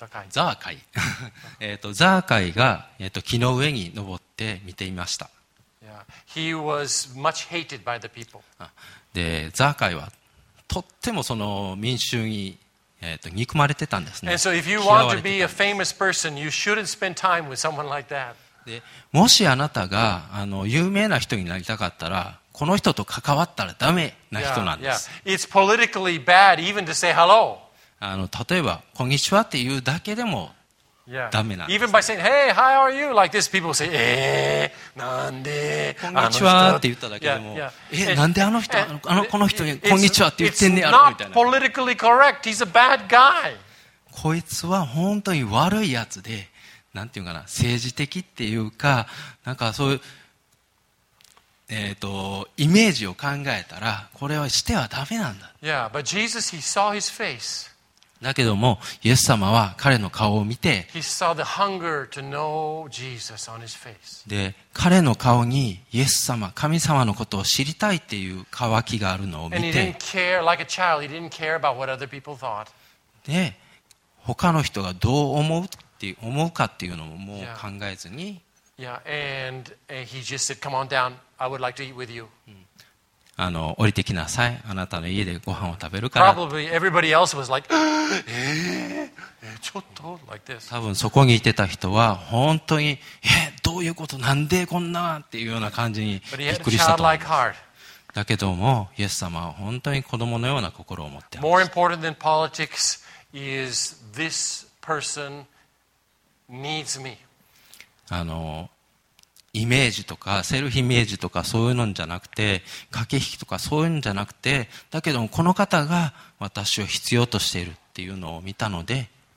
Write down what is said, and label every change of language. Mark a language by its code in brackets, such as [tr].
[ja] ザーカイが、木の上に登って見ていました。 [en] yeah. He was much hated by the people. [ja] でザーカイはとってもその民衆に、憎まれてたんですね。 [en] And so if you want to be a famous person, you shouldn't spend time with someone like that. [ja] でもしあなたが、あの、有名な人になりたかったら、この人と関わったらダメな人なんです。 [en] Yeah, yeah. It's politically bad even to say hello. [ja] あの、例えばこんにちはって言うだけでもダメなんです。 [en] Even by saying, hey, how are you? Like this, people say, [ja] なんで、こんにちはって言っただけでも、なんであの人、この人にこんにちはって言ってんねやろみたいな。 [en] It's not politically correct. He's a bad guy. [ja] こいつは本当に悪いやつで、なんていうかな、政治的っていうか、なんかそういう、イメージを考えたら、これはしてはダメなんだ。 [en] Yeah, but Jesus, he saw his face. [ja] だけどもイエス様は彼の顔を見て、 [en] He saw the hunger to know Jesus on his face. [ja] で彼の顔にイエス様、神様のことを知りたいっていう渇きがあるのを見て、 [en] And he didn't care, like a child, he didn't care about what other people thought. [ja] で他の人がどう思うって思うかっていうのももう考えずに、 [en] Yeah, and he just said, "Come on down. I would like to eat with you." [ja] あの、降りてきなさい、あなたの家でご飯を食べるから。 [en] Probably everybody else was like, [ja] ちょっと [en] like this. [ja] 多分そこにいてた人は本当に、どういうこと、なんでこんなっていうような感じにびっくりしたと思います。 [en] But he had a childlike heart. [ja] だけどもイエス様は本当に子供のような心を持ってます。 [en] More important than politics is this person needs me. [ja] あの、イメージとかセルフイメージとかそういうのじゃなくて、駆け引きとかそういうのじゃなくて、だけどもこの方が私を必要としているっていうのを見たので、